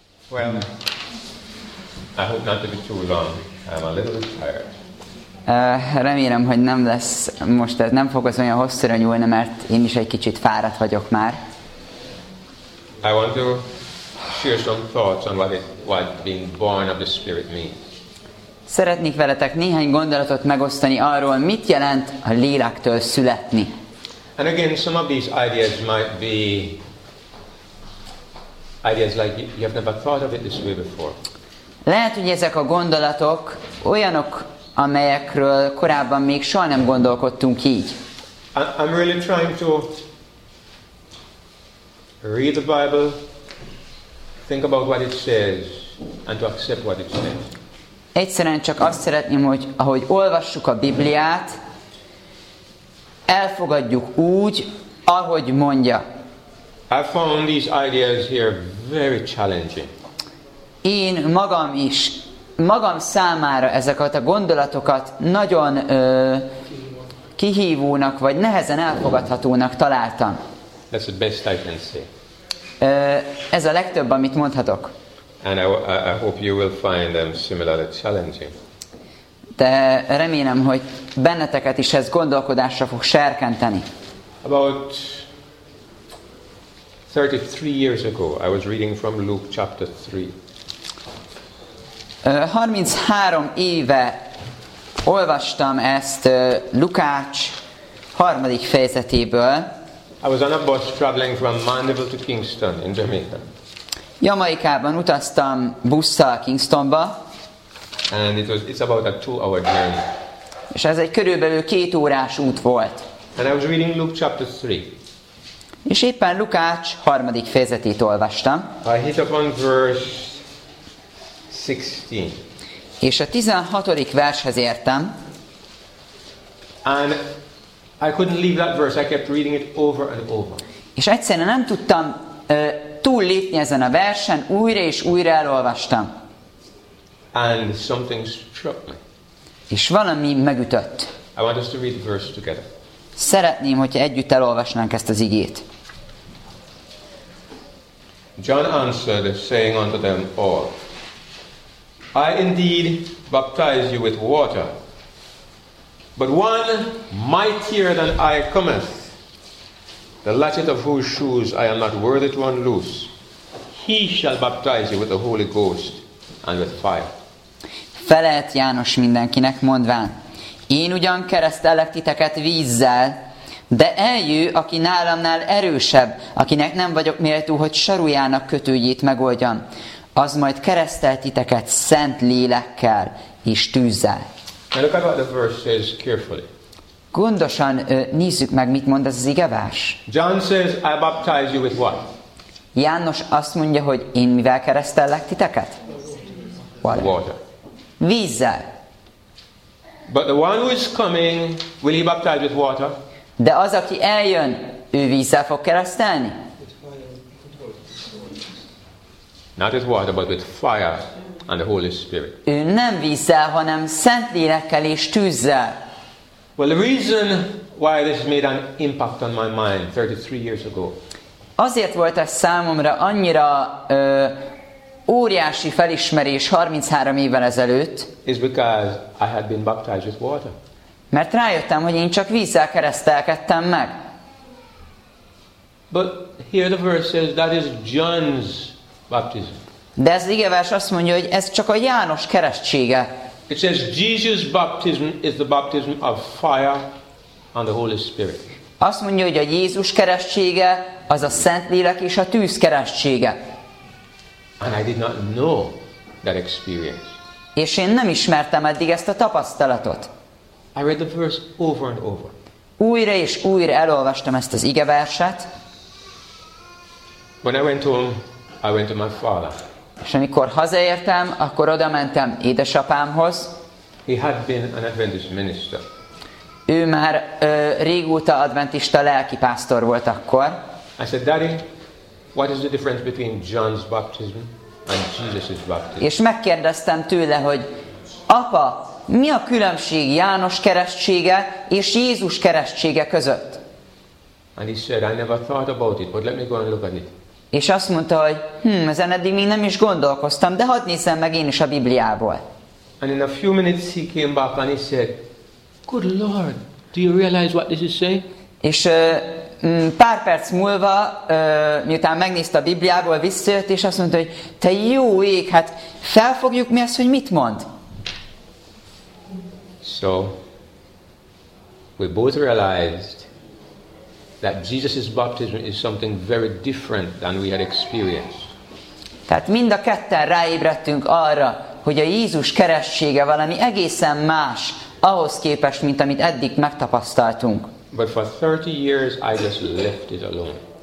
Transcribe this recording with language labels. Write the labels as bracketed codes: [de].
[en] Well, I hope not to be too long. I'm a little bit tired. [hu] Remélem, hogy nem lesz most ez, nem fog az olyan hosszúra nyúlni, mert én is egy kicsit fáradt vagyok már. [en] I want to share some thoughts on what being born of the Spirit means. [hu] Szeretnék veletek néhány gondolatot megosztani arról, mit jelent a lélektől születni. [en] And again, some of these ideas might be ideas like you have never thought of it this way before. [hu] Lehet, hogy ezek a gondolatok olyanok, amelyekről korábban még soha nem gondolkodtunk így. [en] I'm really trying to read the Bible, think about what it says, and to accept what it says. [hu] Egyszerűen csak azt szeretném, hogy ahogy olvassuk a Bibliát, elfogadjuk úgy, ahogy mondja. [en] I found these ideas here very challenging. [hu] Én magam is, magam számára ezeket a gondolatokat nagyon kihívónak, vagy nehezen elfogadhatónak találtam. [en] That's the best I can say. [hu] Ez a legtöbb, amit mondhatok. [en] And I hope you will find them similarly challenging. [hu] De remélem, hogy benneteket is ez gondolkodásra fog serkenteni. [en] About 33 years ago, I was reading from Luke chapter 3. [hu] 33 éve olvastam ezt Lukács harmadik fejezetéből. [en] I was on a bus traveling from Mandeville to Kingston in Jamaica. [hu] Jamaikában utaztam busszal Kingstonba. [en] And it's about a 2-hour journey. [hu] És ez egy körülbelül 2 órás út volt. [en] And I was reading Luke chapter 3. [hu] És éppen Lukács harmadik fejezetét olvastam. [en] I hit upon verse 16. [hu] És a 16. vershez értem. [en] And I couldn't leave that verse. I kept reading it over and over. [hu] És egyszerűen nem tudtam túl lépni ezen a versen, újra és újra elolvastam. [en] And something struck me. [hu] És valami megütött. [en] I want us to read the verse together. [hu] Szeretném, hogyha együtt elolvasnánk ezt az igét. [en] John answered, saying unto them all, I indeed baptize you with water, but one mightier than I cometh, the latchet of whose shoes I am not worthy to unloose, he shall baptize you with the Holy Ghost and with fire. [hu] Felelt János mindenkinek mondván, én ugyan keresztellek titeket vízzel, de eljő, aki nálamnál erősebb, akinek nem vagyok méltó, hogy sarujának kötőjét megoldjam. Az majd keresztel titeket szent lélekkel és tűzzel. [en] Now look at what the verse says carefully. [hu] Gondosan nézzük meg, mit mond ez az igevers. [en] John says, I baptize you with what? [hu] János azt mondja, hogy én mivel keresztellek titeket? [en] Water. [hu] Vízzel. [en] But the one who is coming, will he baptize with water? [hu] De az, aki eljön, ő vízzel fog keresztelni? [en] Not with water, but with fire and the Holy Spirit. [hu] Ő nem vízzel, hanem szent lélekkel és tűzzel. [en] Well, the reason why this made an impact on my mind 33 years ago. [hu] Azért volt ez számomra annyira óriási felismerés 33 évvel ezelőtt. [en] Is because I had been baptized with water. [hu] Mert rájöttem, hogy én csak vízzel keresztelkedtem meg. [en] But here the verse says that is John's. [hu] De ez igevers azt mondja, hogy ez csak a János keresztsége. [en] It says Jesus' baptism is the baptism of fire and the Holy Spirit. [hu] Azt mondja, hogy a Jézus keresztsége az a Szentlélek és a tűz keresztsége. [en] And I did not know that experience. [hu] És én nem ismertem eddig ezt a tapasztalatot. [en] I read the verse over and over. [hu] Újra és újra elolvastam ezt az igeverset. [en] When I went home, I went to my father. [hu] És amikor hazaértem, akkor oda mentem édesapámhoz. [en] He had been an Adventist minister. [hu] Ő már régóta adventista lelki pásztor volt akkor. [en] I said, Daddy, what is the difference between John's baptism and Jesus's baptism? [hu] És megkérdeztem tőle, hogy apa, mi a különbség János keresztsége és Jézus keresztsége között? [en] And he said, I never thought about it, but let me go and look at it. [hu] És azt mondta, hogy ezen eddig még nem is gondolkoztam, de hadd nézzem meg én is a Bibliából. [en] And in a few minutes he came back and he said, "Good Lord, do you realize what this is saying?" [hu] És pár perc múlva, miután megnézte a Bibliából, visszajött, és azt mondta, hogy te jó ég, hát felfogjuk mi azt, hogy mit mond. [en] So, we both realized that Jesus' baptism is something very different than we had experienced. [hu] Tehát mind a ketten ráébredtünk arra, hogy a Jézus keresztsége valami egészen más ahhoz képest, mint amit eddig megtapasztaltunk. [en] But for 30 years I just left it alone.